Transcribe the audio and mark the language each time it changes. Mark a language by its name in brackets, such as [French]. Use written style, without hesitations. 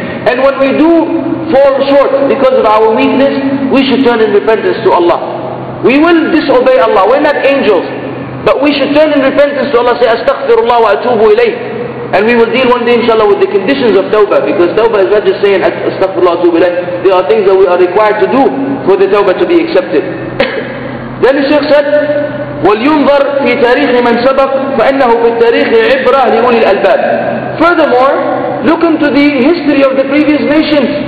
[English] And when we do fall short because of our weakness, we should turn in repentance to Allah. We will disobey Allah. We're not angels. But we should turn in repentance to Allah, say, [Arabic] Astaghfirullah wa atubu ilayh. [English] And we will deal one day, inshallah, with the conditions of tawbah. Because tawbah is not just saying, [Arabic] Astaghfirullah wa atubu ilayh. [English] There are things that we are required to do for the tawbah to be accepted. Then the Shaykh said, [Arabic] وَلْيُنْظَرْ فِي تَارِيخِ مَنْ سَبَقْ فَإِنَّهُ فِي التَّارِيخِ عِبْرَةِ لِأُولِي الْأَلْبَابِ. [English] Furthermore, look into the history of the previous nations.